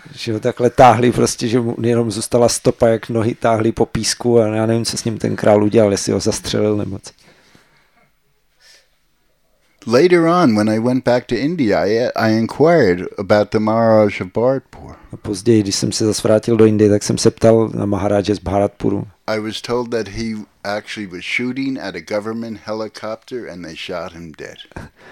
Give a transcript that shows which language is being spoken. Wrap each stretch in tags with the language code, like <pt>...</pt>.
<cs>Že ho takhle táhli prostě, že mu jenom zůstala stopa, jak nohy táhli po písku a já nevím, co s ním ten král udělal, jestli ho zastřelil nebo co.</cs> <en>Later on, when I went back to India, I inquired about the Maharaj of Bharatpur.</en> <cs>A později, když jsem se zase vrátil do Indie, tak jsem se ptal na Maharaje z Bharatpuru.</cs> <en>I was told that he actually was shooting at a government helicopter and they shot him dead.</en>